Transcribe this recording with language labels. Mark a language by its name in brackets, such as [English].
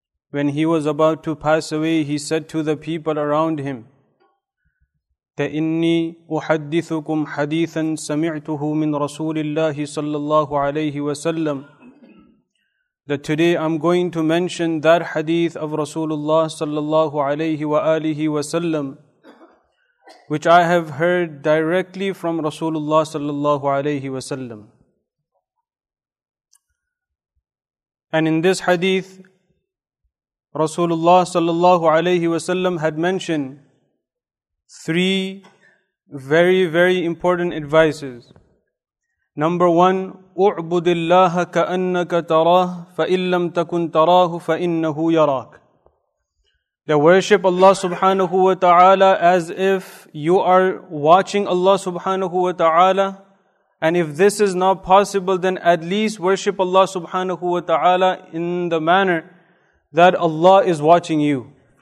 [English] When he was about to pass away, he said to the people around him, [Arabic] تَإِنِّي أُحَدِّثُكُمْ حَدِيثًا سَمِعْتُهُ مِنْ رَسُولِ اللَّهِ صَلَّى اللَّهُ عَلَيْهِ وَسَلَّمْ, [English] that today I'm going to mention that hadith of Rasulullah sallallahu alayhi wa alihi wa sallam, which I have heard directly from Rasulullah sallallahu alayhi wa sallam. And in this hadith, Rasulullah sallallahu alayhi wa sallam had mentioned three very, very important advices. Number one, [Arabic] اُعْبُدِ اللَّهَ كَأَنَّكَ تَرَاهُ فَإِنْ لَمْ تَكُنْ تَرَاهُ فَإِنَّهُ يَرَاكَ. [English] That worship Allah subhanahu wa ta'ala as if you are watching Allah subhanahu wa ta'ala. And if this is not possible, then at least worship Allah subhanahu wa ta'ala in the manner that Allah is watching you.